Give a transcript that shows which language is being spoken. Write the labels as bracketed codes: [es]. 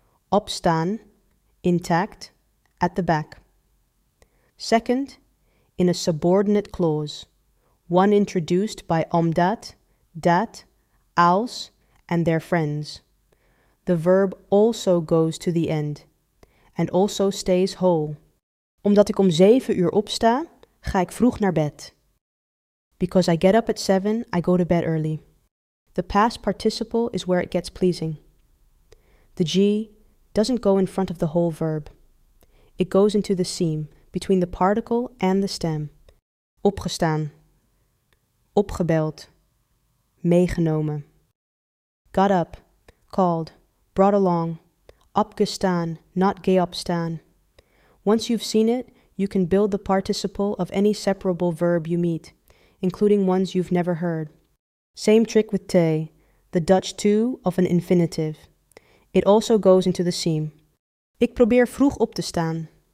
[en] Opstaan, intact, at the back. Second, in a subordinate clause, one introduced by omdat, dat, als, and their friends. The verb also goes to the end, and also stays whole. [nl] Omdat ik om 7 uur opsta, ga ik vroeg naar bed. [en] Because I get up at 7, I go to bed early. The past participle is where it gets pleasing. The G doesn't go in front of the whole verb. It goes into the seam, between the particle and the stem. [nl] Opgestaan. Opgebeld. Meegenomen. [en] Got up, called, brought along, opgestaan, not geopstaan. Once you've seen it, you can build the participle of any separable verb you meet, including ones you've never heard. Same trick with te, the Dutch too of an infinitive. It also goes into the seam. [nl] Ik probeer vroeg op te staan.